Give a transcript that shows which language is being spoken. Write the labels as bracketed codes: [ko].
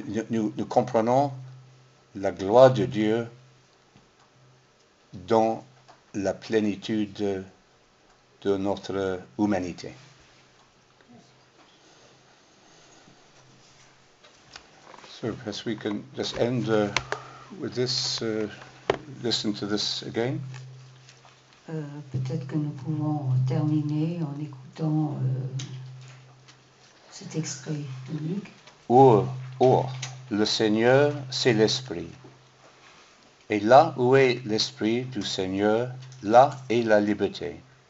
[fr] Nous comprenons la gloire de Dieu dans la plénitude de notre humanité. [en] So perhaps we can just end with this, listen to this again. [fr] Peut-être que nous pouvons terminer en écoutant cet extrait de Luc. Or, le Seigneur, c'est l'Esprit. Et là où est l'Esprit du Seigneur, là est la liberté.